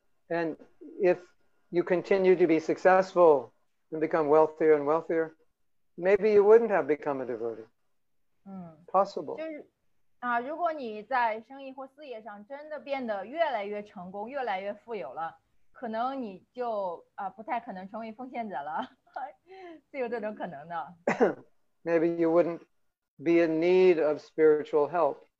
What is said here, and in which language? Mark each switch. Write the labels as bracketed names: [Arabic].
[English] And if you continue to be successful and become wealthier and wealthier, maybe you wouldn't have become a devotee. Possible. [Chinese] 如果你在生意或事业上真的变得越来越成功，越来越富有了，可能你就不太可能成为奉献者了，是有这种可能的。 [English] Maybe you wouldn't be in need of spiritual help.